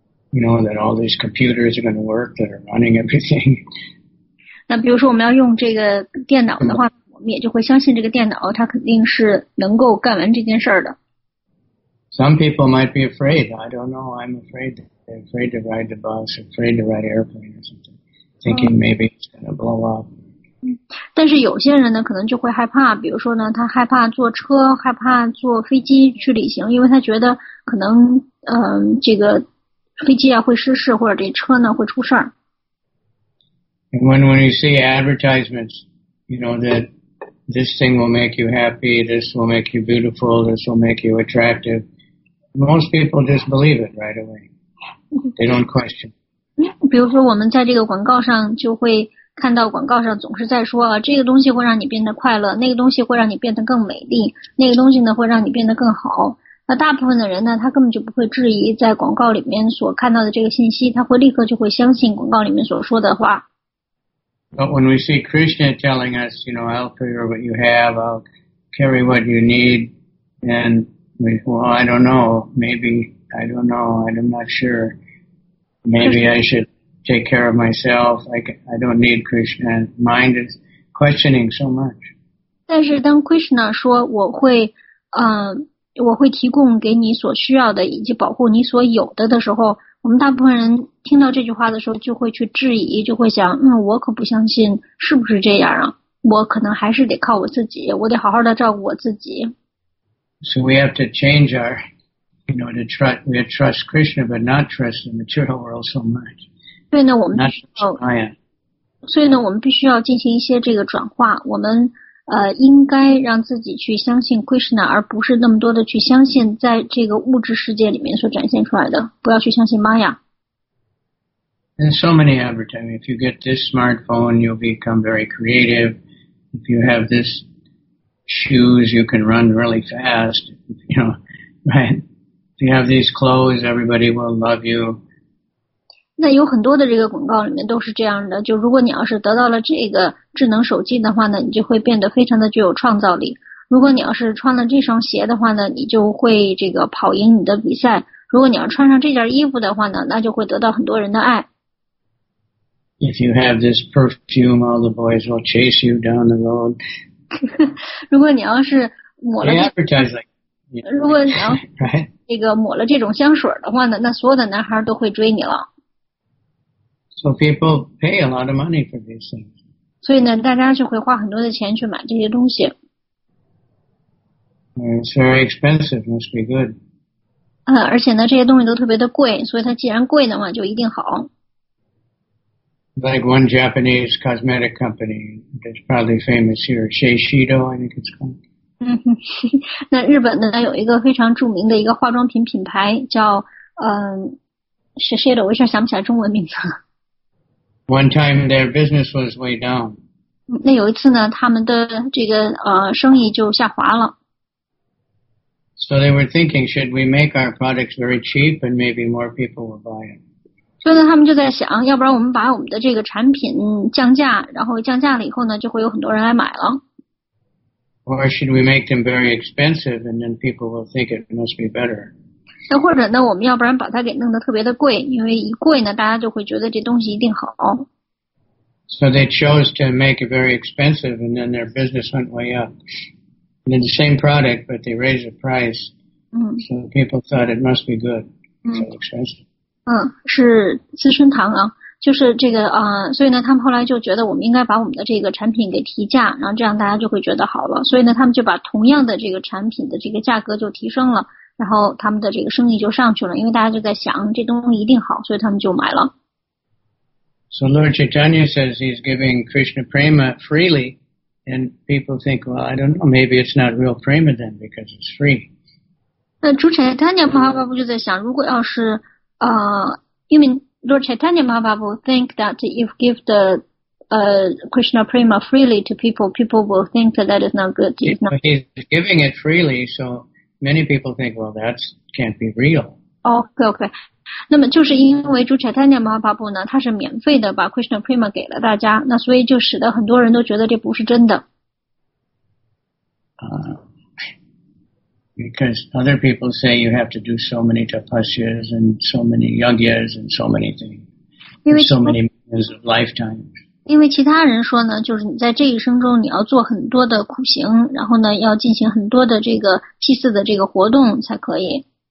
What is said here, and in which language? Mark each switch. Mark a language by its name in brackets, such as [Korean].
[English] You know that all these computers are going to work that are running everything. [Chinese] 那比如说我们要用这个电脑的话，我们也就会相信这个电脑它肯定是能够干完这件事儿的。 [English] Some people might be afraid. I don't know. I'm afraid. They're afraid to ride the bus, afraid to ride airplane or something, thinking maybe it's going to blow up. [Chinese] 但是有些人呢可能就会害怕，比如说呢他害怕坐车，害怕坐飞机去旅行，因为他觉得可能这个飞机啊会失事，或者这车呢会出事儿。 [English] And when you see advertisements, you know that this thing will make you happy, this will make you beautiful, this will make you attractive. Most people just believe it right away. They don't question. [Chinese] 比如说我们在这个广告上就会看到广告上总是在说，这个东西会让你变得快乐，那个东西会让你变得更美丽，那个东西呢会让你变得更好。那大部分的人呢，他根本就不会质疑在广告里面所看到的这个信息，他会立刻就会相信广告里面所说的话。 [English] But when we see Krishna telling us, you know, I'll clear what you have, I'll carry what you need, and we, well, I don't know, maybe, I don't know, I'm not sure. Maybe I should take care of myself, I don't need Krishna. Mind is questioning so much. [Chinese] 但是当 Krishna 说我会提供给你所需要的以及保护你所有的时候，我们大部分人听到这句话的时候就会去质疑，就会想，我可不相信是不是这样啊，我可能还是得靠我自己，我得好好的照顾我自己。 [English] So we have to change our, you know, to trust, we have to trust Krishna, but not trust the material world so much. [Chinese] 对呢，我们需要，所以呢，我们必须要进行一些这个转化，我们应该让自己去相信 Krishna 而不是那么多的去相信在这个物质世界里面所展现出来的，不要去相信 Maya. [English] And so many advertisements, if you get this smartphone, you'll become very creative. If you have this shoes, you can run really fast. You know, right? If you have these clothes, everybody will love you. [Chinese] 那有很多的这个广告里面都是这样的，就如果你要是得到了这个智能手机的话呢，你就会变得非常的具有创造力。如果你要是穿了这双鞋的话呢，你就会这个跑赢你的比赛。如果你要穿上这件衣服的话呢，那就会得到很多人的爱。 [English] If you have this perfume, all the boys will chase you down the road. [Chinese] 如果你要是抹了 [English] They advertise like, you [Chinese] know, 如果你要这个抹了这种香水的话呢，那所有的男孩都会追你了。 [English] So people pay a lot of money for these things. [Chinese] 所以呢，大家就会花很多的钱去买这些东西。 [English] It's very expensive, must be good. [Chinese] 而且呢，这些东西都特别的贵，所以它既然贵的话，就一定好。 [English] Like one Japanese cosmetic company that's probably famous here, Shiseido, I think it's called. [Chinese] 那日本呢，有一个非常著名的一个化妆品品牌叫Shiseido， 我一下想不起来中文名字。 [English] One time their business was way down. [Chinese] 那有一次呢，他们的这个生意就下滑了。 [English] So they were thinking, should we make our products very cheap and maybe more people will buy it? [Chinese] 所以呢，他们就在想，要不然我们把我们的这个产品降价，然后降价了以后呢，就会有很多人来买了。 [English] Or should we make them very expensive and then people will think it must be better? [Chinese] 那或者呢，我们要不然把它给弄得特别的贵，因为一贵呢，大家就会觉得这东西一定好。 [English] So they chose to make it very expensive and then their business went way up. And then the same product, but they raised the price. So people thought it must be good. So expensive. [Chinese] 是资生堂啊，就是这个啊，所以呢，他们后来就觉得我们应该把我们的这个产品给提价，然后这样大家就会觉得好了。所以呢，他们就把同样的这个产品的这个价格就提升了，然后他们的这个生意就上去了，因为大家就在想这东西一定好，所以他们就买了。 [English] So Lord Chaitanya says he's giving Krishna Prema freely, and people think, well, I don't know, maybe it's not real Prema then, because it's free. [Chinese] 那主 Chaitanya Mahaprabhu 就在想，如果要是，因为 [English] Lord Chaitanya Mahaprabhu think that if give the Krishna Prema freely to people, people will think that that is not good. He's giving it freely, so many people think, well, that can't be real. [Chinese] Okay. 那么就是因为主 Chaitanya Mahaprabhu 呢，他是免费的把 Krishna Prema 给了大家，那所以就使得很多人都觉得这不是真的。 [English] Because other people say you have to do so many tapasyas and so many yagyas and so many things, so many millions of lifetimes. [Chinese] 因为其他人说呢，就是你在这一生中你要做很多的苦行，然后呢要进行很多的这个祭祀的这个活动才可以。